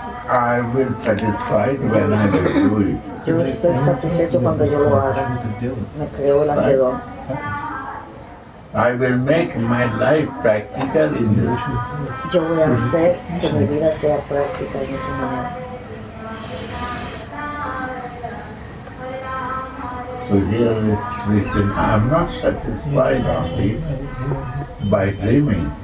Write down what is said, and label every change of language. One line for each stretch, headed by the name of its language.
English: I will satisfy when I will do it.
Spanish: Yo estoy satisfecho cuando yo lo haga. Me creo el hacedor.
English: I will make my life practical in this.
Spanish: Yo voy a hacer que mi vida sea práctica en esa manera.
English: So here we can, I'm not satisfied only by dreaming.